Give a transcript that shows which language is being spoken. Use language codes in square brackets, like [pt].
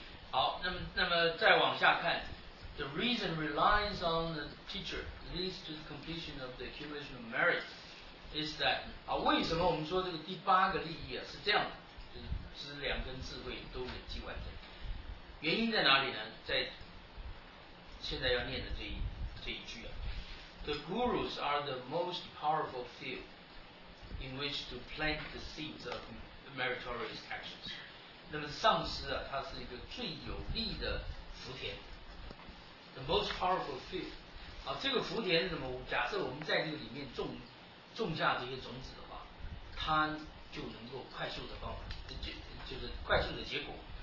[zh] 好，那么再往下看 ， [en] the reason reliance on the teacher leads to the completion of the accumulation of merit is that [zh] 啊，为什么我们说这个第八个利益啊是这样的，就是资粮跟智慧都累积完成，原因在哪里呢？在现在要念的这一句啊。 [en] The gurus are the most powerful field in which to plant the seeds of meritorious actions. [zh] 那么上师啊，他是一个最有力的福田。 [en] The most powerful field. [zh] 啊，这个福田是什么？假设我们在这个里面种下这些种子的话，它就能够快速的爆发，就是快速的结果。